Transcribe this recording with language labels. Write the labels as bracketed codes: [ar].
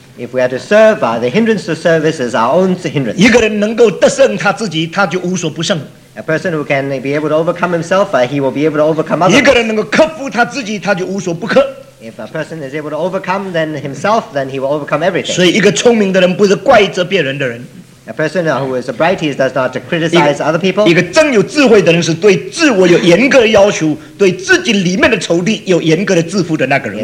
[en] If we are to serve, the hindrance to service is our own hindrance. [zh] 一个人能够得胜他自己，他就无所不胜。 [en] A person who can be able to overcome himself, he will be able to overcome others. [zh] 一个人能够克服他自己，他就无所不克。 [en] If a person is able to overcome then himself, then he will overcome everything. [zh] 所以一个聪明的人不是怪责别人的人。 [en] A person who is a bright, he does not criticize other people. [zh] 一个真有智慧的人是对自我有严格的要求, 对自己里面的仇敌有严格的自负的那个人。